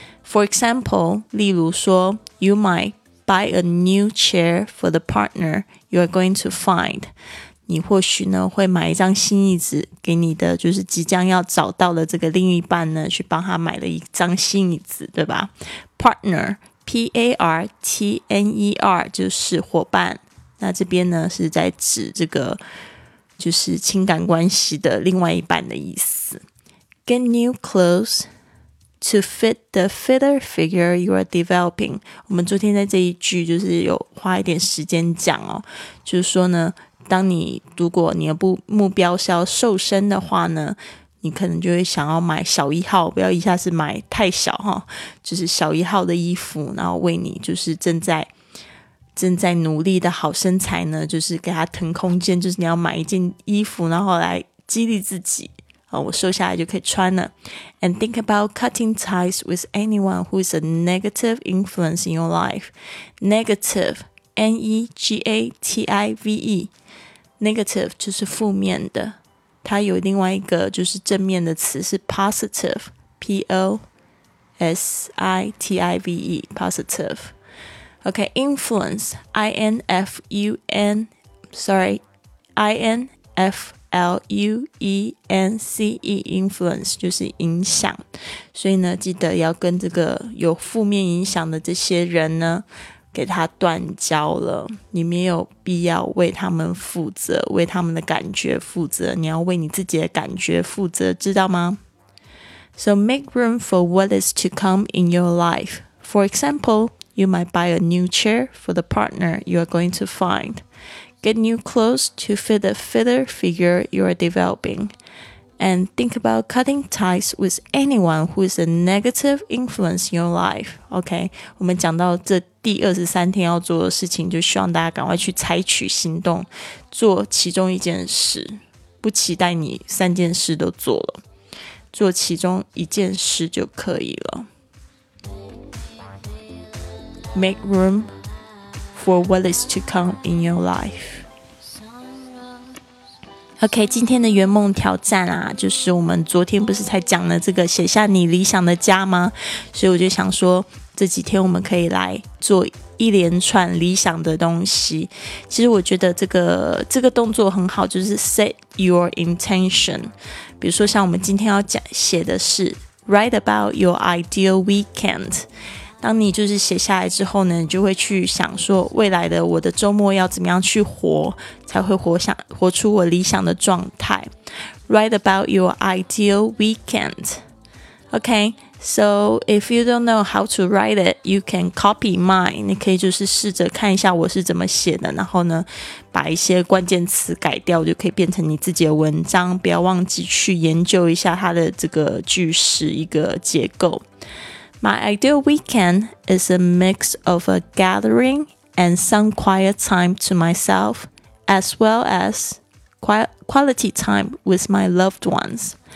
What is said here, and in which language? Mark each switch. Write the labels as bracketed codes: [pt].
[en] For example, [zh] 例如说 [en] you might buy a new chair for the partner you are going to find. [zh] 你或许呢会买一张新椅子给你的就是即将要找到的这个另一半呢，去帮他买了一张新椅子，对吧？ Partner, P-A-R-T-N-E-R 就是伙伴，那这边呢是在指这个就是情感关系的另外一半的意思。 [en] Get new clothes to fit the fitter figure you are developing. [zh] 我们昨天在这一句就是有花一点时间讲哦，就是说呢，当你如果你的目标是要瘦身的话呢，你可能就会想要买小一号，不要一下子买太小哈，就是小一号的衣服，然后为你就是正在努力的好身材呢，就是给他腾空间，就是你要买一件衣服，然后来激励自己，我瘦下来就可以穿了。 [en] And think about cutting ties with anyone who is a negative influence in your life. Negative, N-E-G-A-T-I-V-E. [zh] Negative 就是负面的，它有另外一个就是正面的词是 positive, P-O-S-I-T-I-V-E, positive. [en] OK, influence, I-N-F-U-N, sorry, I-N-F-L-U-E-N-C-E, influence, [zh] 就是影响。所以呢，记得要跟这个有负面影响的这些人呢，给他断交了，你没有必要为他们负责，为他们的感觉负责，你要为你自己的感觉负责，知道吗？ [en] So make room for what is to come in your life. For example, you might buy a new chair for the partner you are going to find. Get new clothes to fit the fitter figure you are developing. And think about cutting ties with anyone who is a negative influence in your life. [zh] OK, 我们讲到这第23天要做的事情，就希望大家赶快去采取行动，做其中一件事，不期待你三件事都做了，做其中一件事就可以了。 [en] Make room for what is to come in your life. [zh] OK, 今天的圆梦挑战啊，就是我们昨天不是才讲了这个写下你理想的家吗？所以我就想说这几天我们可以来做一连串理想的东西。其实我觉得这个动作很好，就是 [en] set your intention。 [zh] 比如说像我们今天要讲写的是 [en] write about your ideal weekend。 [zh] 当你就是写下来之后呢，你就会去想说未来的我的周末要怎么样去活，才会活出我理想的状态。 [en] write about your ideal weekend。 OK,So if you don't know how to write it, you can copy mine. [zh] 你可以就是试着看一下我是怎么写的，然后呢把一些关键词改掉，就可以变成你自己的文章。不要忘记去研究一下它的这个句式一个结构。 [en] My ideal weekend is a mix of a gathering and some quiet time to myself, as well as quality time with my loved ones.